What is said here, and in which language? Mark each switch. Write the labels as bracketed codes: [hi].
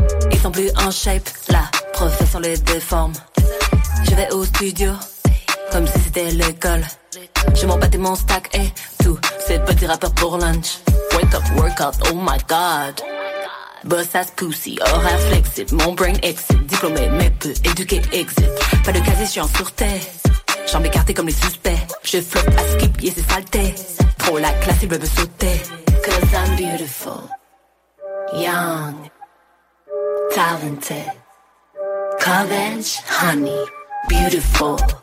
[fr] Ils sont plus en shape, la profession les déforme. Je vais au studio, comme si c'était l'école. Je m'en battais mon stack et tous ces petits rappeurs pour lunch. [en] Wake up, work out, oh my god. Boss ass pussy, [fr] horaire flexible. Mon brain exit, diplômé mais peu éduqué exit. Pas de casier, je suis en sûreté. Jambes écartées comme les suspects. Je flotte à skip, yeah c'est saleté. Trop la classe, il veut sauter. [en] Cause I'm beautiful. Young, talented, Covenge, honey, beautiful.